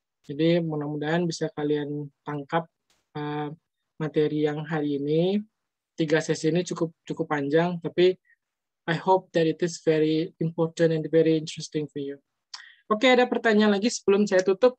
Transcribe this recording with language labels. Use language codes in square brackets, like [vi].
[id] Jadi mudah-mudahan bisa kalian tangkap materi yang hari ini. Tiga sesi ini cukup cukup panjang, tapi [en] I hope that it is very important and very interesting for you. [id] Oke, ada pertanyaan lagi sebelum saya tutup.